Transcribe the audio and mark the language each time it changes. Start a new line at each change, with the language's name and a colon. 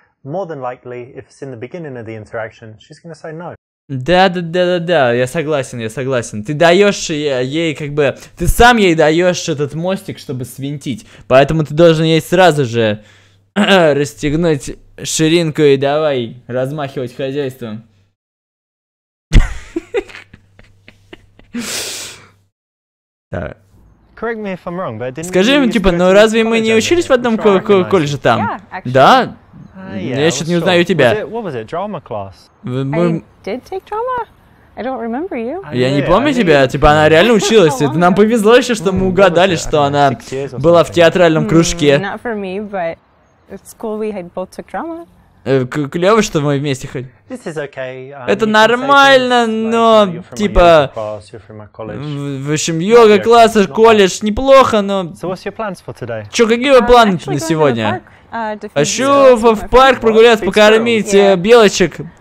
English: More than likely, if it's in the beginning of the interaction, she's gonna say no.
Russian: Да, я согласен. Ты даешь ей, как бы, ты сам ей даешь этот мостик, чтобы свинтить. Поэтому ты должен ей сразу же расстегнуть ширинку и давай размахивать хозяйством.
English: Correct me if I'm wrong, but didn't.
Russian: Скажи мне, типа, ну разве мы не учились в одном колледже там? Да? Я что-то не узнаю тебя.
English: What was it? Drama class. I did take drama. I don't remember you.
Russian: Я не помню тебя. Типа, она реально училась. Это нам повезло еще, что мы угадали, что она была в театральном кружке.
English: Not for me, but it's cool we had both took drama.
Russian: Клево, что мы вместе ходим.
English: This is okay.
Russian: Это нормально, но, типа... В общем, йога-класс, колледж, неплохо, но... Чё, какие вы планы на сегодня? Хочу в парк прогуляться, покормить белочек.